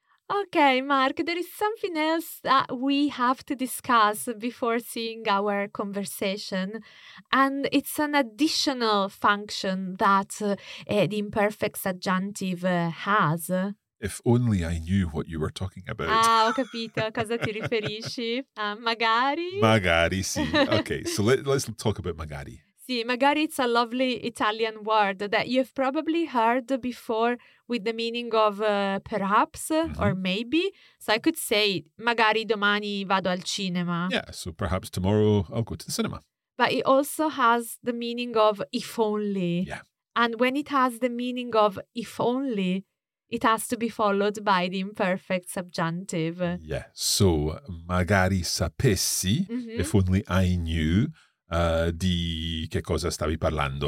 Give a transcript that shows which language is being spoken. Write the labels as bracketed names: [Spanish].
[English] Okay, Mark, there is something else that we have to discuss before seeing our conversation. And it's an additional function that the imperfect subjunctive has. If only I knew what you were talking about. [Italian] Ah, ho capito, a cosa ti riferisci? Magari? Magari, sì. [English] Okay, so let's talk about magari. Sì, magari it's a lovely Italian word that you've probably heard before with the meaning of perhaps mm-hmm. or maybe. So I could say, [Italian] magari domani vado al cinema. [English] Yeah, so perhaps tomorrow I'll go to the cinema. But it also has the meaning of if only. Yeah. And when it has the meaning of if only, it has to be followed by the imperfect subjunctive. Yeah, so [Italian] magari sapessi, [English] mm-hmm. if only I knew, [Italian] di che cosa stavi parlando.